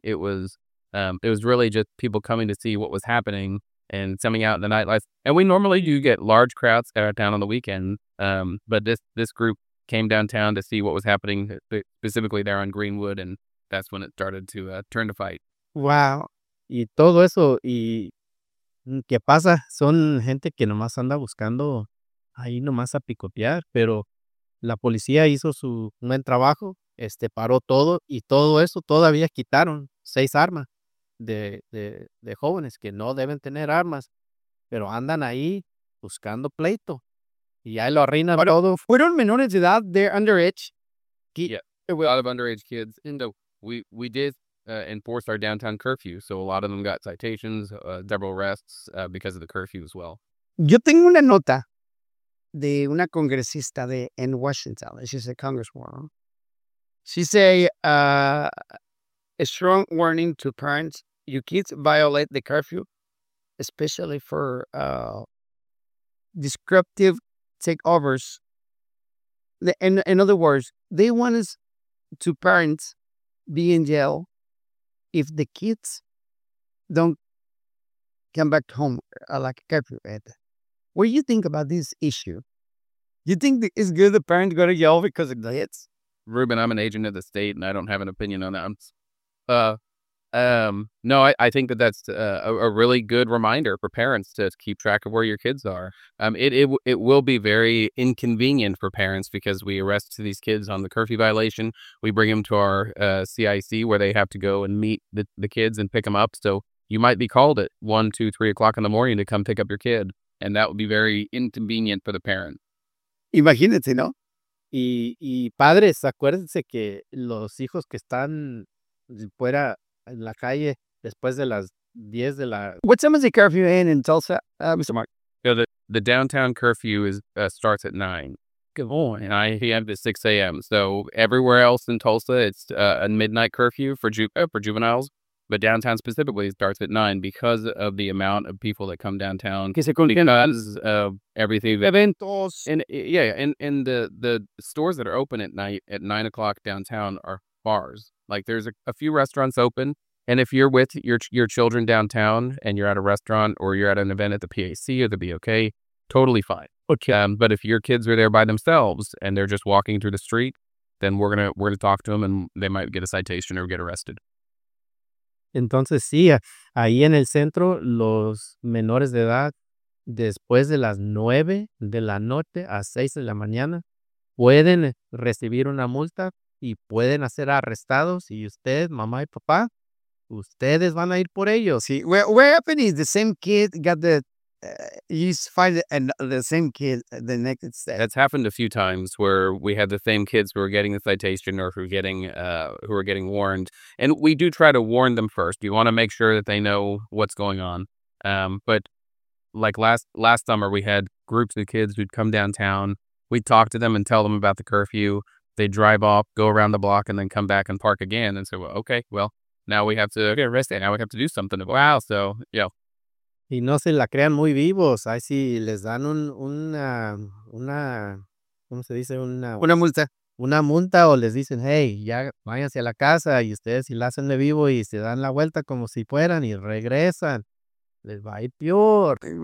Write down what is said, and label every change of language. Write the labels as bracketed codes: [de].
[en] It was really just people coming to see what was happening. And coming out in the nightlife. And we normally do get large crowds down on the weekend. But this group came downtown to see what was happening specifically there on Greenwood. And that's when it started to turn to fight. Wow. [es] Y todo eso. Y qué pasa? Son gente que nomás anda buscando ahí nomás a picotear. Pero la policía hizo su buen trabajo. Paró todo. Y todo eso todavía quitaron 6 armas. De jóvenes que no deben tener armas, pero andan ahí buscando pleito y ahí lo arruinan todo. Fueron menores de edad, [en] they're underage. Yeah, a lot of underage kids. And we did enforce our downtown curfew, so a lot of them got citations, several arrests because of the curfew as well. [es] Yo tengo una nota de una congresista en Washington. [en] She's a congresswoman. She say, a strong warning to parents, your kids violate the curfew, especially for disruptive takeovers. In other words, they want us to parents be in jail if the kids don't come back home like curfew. Ed. What do you think about this issue? You think it's good the parents go to jail because of the hits? Ruben, I'm an agent of the state and I don't have an opinion on that. I think that's a really good reminder for parents to keep track of where your kids are. It will be very inconvenient for parents because we arrest these kids on the curfew violation. We bring them to our CIC where they have to go and meet the kids and pick them up. So you might be called at 1, 2, 3 o'clock in the morning to come pick up your kid. And that would be very inconvenient for the parent. [es] Imagínate, ¿no? Y padres, acuérdense que los hijos que están fuera en la calle después de las 10 de la... [en] What time is the curfew in Tulsa, Mr. Mark? You know, the downtown curfew starts at 9. Good boy. 9 p.m. to 6 a.m. So everywhere else in Tulsa, it's a midnight curfew for juveniles. But downtown specifically starts at 9 because of the amount of people that come downtown. [es] Que se contienen. [en] Because of everything. [es] Eventos. [en] And the stores that are open at night at 9 o'clock downtown are bars. Like there's a few restaurants open, and if you're with your children downtown and you're at a restaurant or you're at an event at the PAC or the BOK, totally fine. Okay. But if your kids are there by themselves and they're just walking through the street, then we're gonna talk to them and they might get a citation or get arrested. [es] Entonces sí, ahí en el centro los menores de edad después de las 9 de la noche a 6 de la mañana pueden recibir una multa. Y pueden hacer arrestados. Y usted, mamá y papá, ustedes van a ir por ellos. Sí, [en] what happened is the same kid got the, he's fighting and the same kid the next day. That's happened a few times where we had the same kids who were getting the citation or who were getting warned. And we do try to warn them first. You want to make sure that they know what's going on. But like last summer, we had groups of kids who'd come downtown. We'd talk to them and tell them about the curfew. they drive off, go around the block, and then come back and park again and say, well, okay, well, now we have to get arrested. Now we have to do something. Wow. So, yeah. [es] Y no se la crean muy vivos. Ahí sí les dan una, ¿cómo se dice? Una multa. Una multa, o les dicen, hey, ya váyanse a la casa, y ustedes si la hacen de vivo y se dan la vuelta como si fueran y regresan, les va a ir peor.